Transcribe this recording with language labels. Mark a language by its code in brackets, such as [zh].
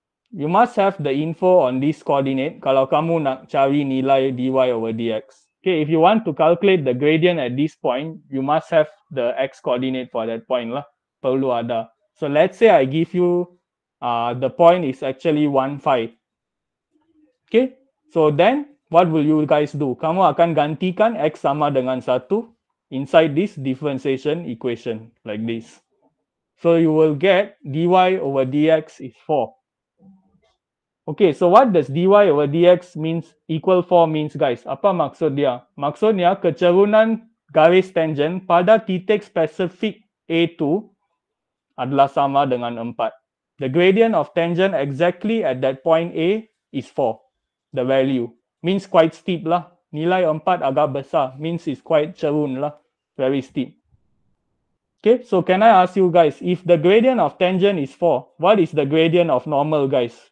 [en] You must have the info on this coordinate [ms] kalau kamu nak cari nilai [en] dy over dx. Okay, if you want to calculate the gradient at this point, you must have the x coordinate for that point lah. [ms] Perlu ada. [en] So let's say I give you the point is actually 1.5. Okay, so then what will you guys do? [ms] Kamu akan gantikan x sama dengan 1. [en] Inside this differentiation equation like this. So you will get dy over dx is 4. Okay, so what does dy over dx means equal 4 means, guys? [ms] Apa maksud dia? Maksudnya kecerunan garis tangent pada titik spesifik A2 adalah sama dengan 4. [en] The gradient of tangent exactly at that point A is 4. The value means quite steep lah. [ms] Nilai 4 agak besar [en] means it's quite cerun lah. Very steep. Okay, so can I ask you guys, if the gradient of tangent is 4, what is the gradient of normal, guys?